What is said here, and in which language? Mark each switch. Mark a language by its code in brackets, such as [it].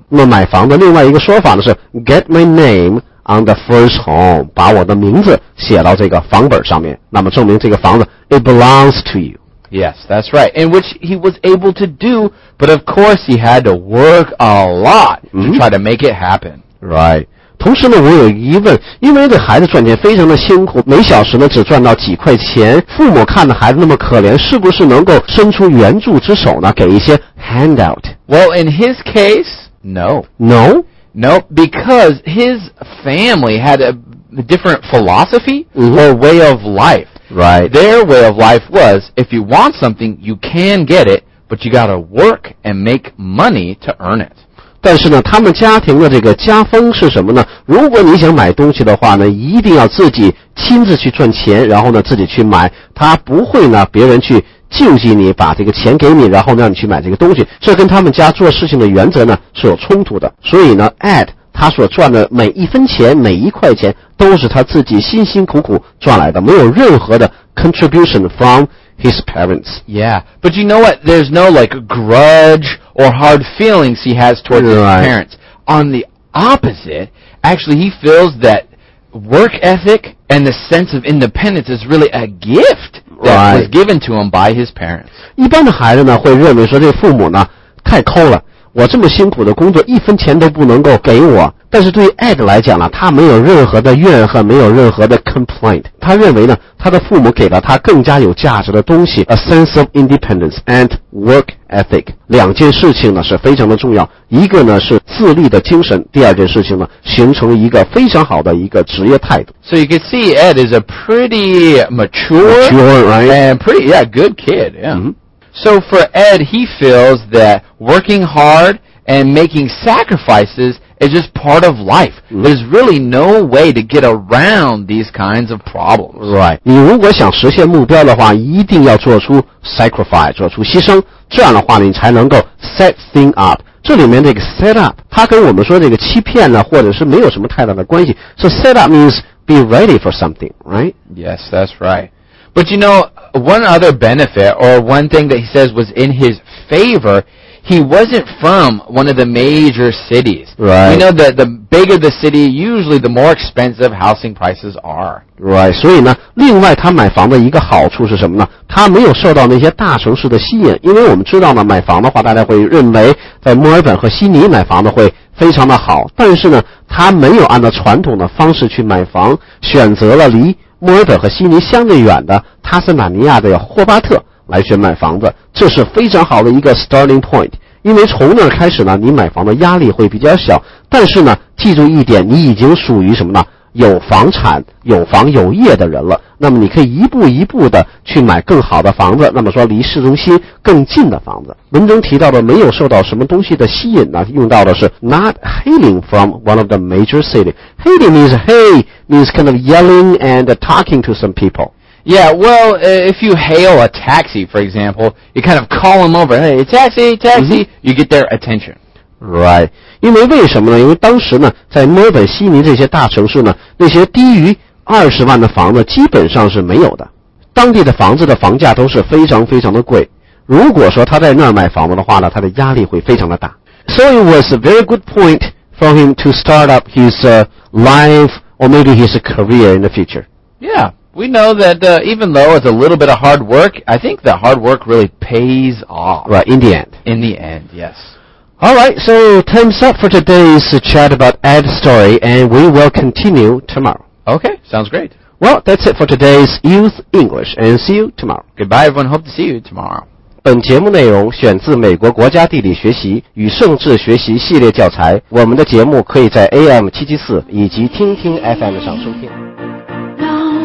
[zh] 那买房的另外一个说法呢是 [en] get my name on the first home, [zh] 把我的名字写到这个房本上面，那么证明这个房子 [en] it belongs to you. Yes, that's right. And which he was able to do, but of course he had to work a lot to try to make it happen. Right. [zh] 同时呢，我有疑问，因为这孩子赚钱非常的辛苦，每小时呢只赚到几块钱，父母看着孩子那么可怜，是不是能够伸出援助之手呢，给一些 handout? [en] Well, in his case, no. No? No, because his family had a different philosophy or way of life. Right. Their way of life was, if you want something, you can get it, but you gotta work and make money to earn it. [zh] 但是呢，他们家庭的这个家风是什么呢？如果你想买东西的话呢，一定要自己亲自去赚钱，然后呢，自己去买。他不会呢，别人去救济你，把这个钱给你，然后让你去买这个东西。这跟他们家做事情的原则呢，是有冲突的。所以呢 ,Ed, 他所赚的每一分钱，每一块钱，都是他自己辛辛苦苦赚来的，没有任何的 [en] contribution from his parents. Yeah, but you know what? There's no like grudge or hard feelings he has towards his parents. On the opposite, actually he feels that work ethic and the sense of independence is really a gift that right. was given to him by his parents. [zh] 一般的孩子呢会认为说这父母呢太抠了，我这么辛苦的工作一分钱都不能够给我。但是对于 Ed 来讲呢，他没有任何的怨恨，没有任何的 complaint。他认为呢，他的父母给了他更加有价值的东西 ， [en] a sense of independence and work ethic。 [zh] 两件事情呢是非常的重要，一个呢是自立的精神，第二件事情呢形成一个非常好的一个职业态度。 [en] So you can see Ed is a pretty mature, right? And pretty, yeah, good kid, yeah.、 Mm-hmm. So for Ed, he feels that working hard and making sacrifices is just part of life. There's really no way to get around these kinds of problems. [zh] Right. 你如果想实现目标的话，一定要做出 sacrifice, 做出牺牲。这样的话你才能够 [en] set thing up。 [zh] 这里面这个 set up, 它跟我们说这个欺骗呢，或者是没有什么太大的关系。 [en] So set up means be ready for something, right? Yes, that's right. But you know, one other benefit, or one thing that he says was in his favor, he wasn't from one of the major cities. Right. You know, the bigger the city, usually the more expensive housing prices are. Right. [zh] 所以呢，另外他买房的一个好处是什么呢？他没有受到那些大城市的吸引，因为我们知道呢，买房的话，大家会认为在墨尔本和悉尼买房的会非常的好，但是呢，他没有按照传统的方式去买房，选择了离墨尔本和悉尼相对远的塔斯马尼亚的霍巴特来去买房子，这是非常好的一个 starting point, 因为从那儿开始呢你买房的压力会比较小，但是呢记住一点，你已经属于什么呢，有房产有房有业的人了，那么你可以一步一步的去买更好的房子，那么说离市中心更近的房子。文中提到的没有受到什么东西的吸引呢，用到的是 [en] not hailing from one of the major city. Hailing means hey, means kind of yelling and talking to some people. Yeah, well, if you hail a taxi, for example, you kind of call them over, hey, taxi, taxi,、mm-hmm. you get their attention. [zh] Right, 因为为什么呢？因为当时呢，在墨尔本、悉尼这些大城市呢，那些低于20万的房子基本上是没有的。当地的房子的房价都是非常非常的贵。如果说他在那儿买房子的话呢，他的压力会非常的大。 [en] So it was a very good point for him to start up his life or maybe his career in the future. Yeah, we know that even though it's a little bit of hard work, I think the hard work really pays off. Right, in the end. In the end, yes. Alright, so time's up for today's chat about Ed's story, and we will continue tomorrow. Okay, sounds great. Well, that's it for today's Youth English, and see you tomorrow. Goodbye everyone, hope to see you tomorrow. [zh] 本节目内容选自美国国家地理学习与政治学习系列教材，我们的节目可以在 AM774 以及听听 FM 上收听。